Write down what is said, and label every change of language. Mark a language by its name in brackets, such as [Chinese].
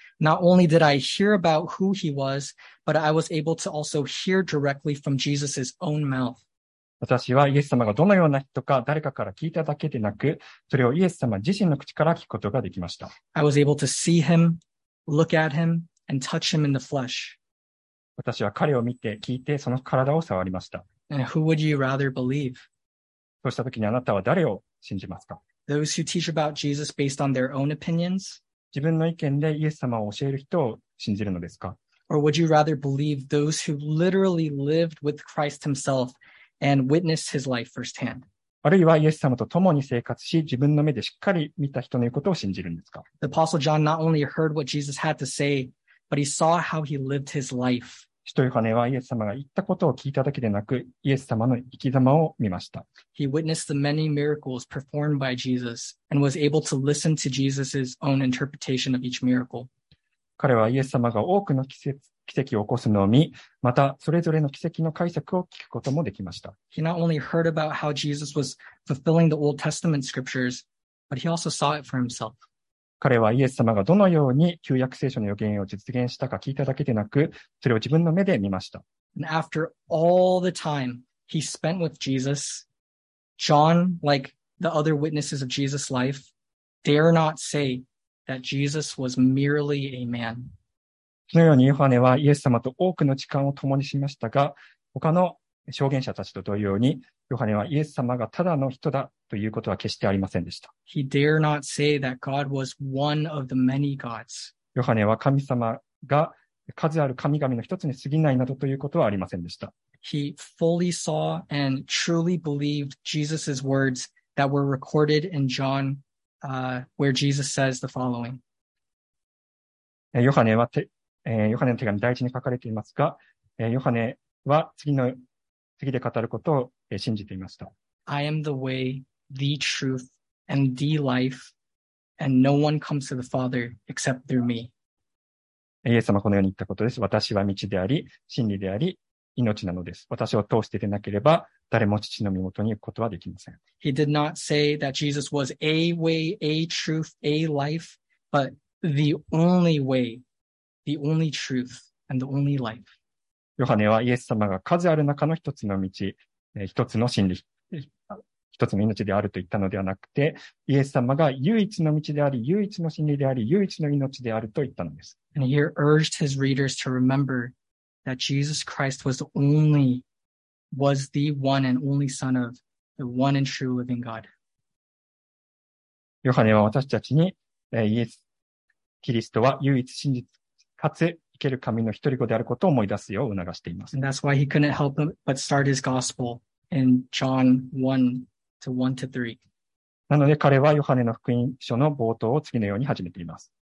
[English] Not only did I hear about who he was, but I was able to also hear directly from Jesus's own mouth. [Japanese] 私はイエス様がどのような人か誰かから聞いただけでなく、それをイエス様自身の口から聞くことができました。 [English] I was able to see him, look at him, and touch him in the flesh. [Japanese] 私は彼を見て聞いてその体を触りました。 [English] And who would you rather believe? [Japanese] そうしたときにあなたは誰を信じますか? [English] Those who teach about Jesus based on their own opinions? [Japanese] 自分の意見でイエス様を教える人を信じるのですか? [English] Or would you rather believe those who literally lived with Christ himself and witnessed his life firsthand? [Japanese] あるいはイエス様と共に生活し、自分の目でしっかり見た人の言うことを信じるんですか? [English] The Apostle John not only heard what Jesus had to say, but he saw how he lived his life. [Japanese] 使徒ヨハネはイエス様が言ったことを聞いただけでなく、イエス様の生き様を見ました。 [English] He witnessed the many miracles performed by Jesus and was able to listen to Jesus's own interpretation of each miracle. [Japanese] 彼はイエス様が多くの奇跡を起こすのを見、またそれぞれの奇跡の解釈を聞くこともできました。 [English] He not only heard about how Jesus was fulfilling the Old Testament scriptures, but he also saw it for himself. [Japanese] 彼はイエス様がどのように旧約聖書の予言を実現したか聞いただけでなく、それを自分の目で見ました。 [English] And after all the time he spent with Jesus, John, like the other witnesses of Jesus' life, dare not say that Jesus was merely a man. [Japanese] そのようにヨハネはイエス様と多くの時間を共にしましたが、他の証言者たちと同様に、ヨハネはイエス様がただの人だということは決してありませんでした。 [English] He dare not say that God was one of the many gods. [Japanese] ヨハネは神様が数ある神々の一つに過ぎないなどということはありませんでした。 [English] He fully saw and truly believed Jesus' words that were recorded in John, where Jesus says the following. [Japanese] ヨハネの手紙第一に書かれていますが、ヨハネは次で語ることを信じていました。 [English] I am the way, the truth, and the life, and no one comes to the Father except through me. [Japanese] イエス様はこのように言ったことです。私は道であり、真理であり、命なのです。私を通して出なければ、誰も父の身元に行くことはできません。 [English] He did not say that Jesus was a way, a truth, a life, but the only way, the only truth, and the only life. [Japanese] ヨハネはイエス様が数ある中の一つの道、一つの真理、一つの命であると言ったのではなくて、イエス様が唯一の道であり、唯一の真理であり、唯一の命であると言ったのです。 [English] And he urged his readers to remember that Jesus Christ was the one and only Son of the one and true living God. [Japanese] ヨハネは私たちに、イエス、キリストは唯一真実かつ生ける神の一人子であることを思い出すよう促しています。 [English] And that's why he couldn't help but start his gospel in John 1:1-3. [Japanese] なので彼はヨハネの福音書の冒頭を次のように始めています。